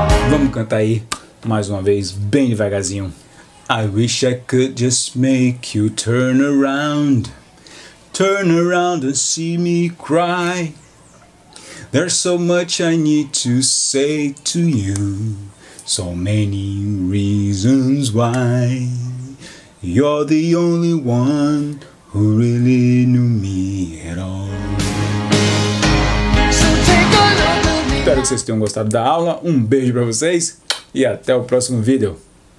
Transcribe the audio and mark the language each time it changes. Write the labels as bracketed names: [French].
[Portuguese] Vamos cantar aí mais uma vez, bem devagarzinho. [English] I wish I could just make you turn around. Turn around and see me cry. There's so much I need to say to you. So many reasons why. You're the only one who really knew me at all. So take a look at me. [Portuguese] Espero que vocês tenham gostado da aula. Um beijo pra vocês e até o próximo vídeo.